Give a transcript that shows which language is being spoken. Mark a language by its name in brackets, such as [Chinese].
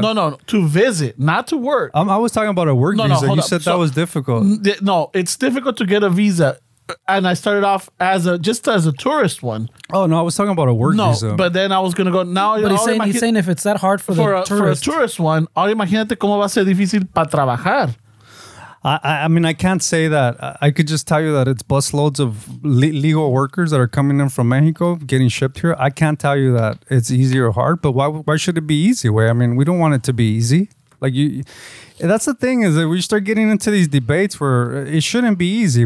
[English] no, to visit, not to work. I was talking about a work visa. No, you said that was difficult. No, it's difficult to get a visa. And I started off as a tourist one. Oh no, I was talking about a work visa. No, but then I was gonna go now. But he's saying if it's that hard for a tourist one, [Spanish] ahora imagínate cómo va a ser difícil para trabajar. [English] I mean, I can't say that. I could just tell you that it's busloads of legal workers that are coming in from Mexico, getting shipped here. I can't tell you that it's easy or hard. But why should it be easy? Well, I mean, we don't want it to be easy. Like you, that's the thing is that we start getting into these debates where it shouldn't be easy.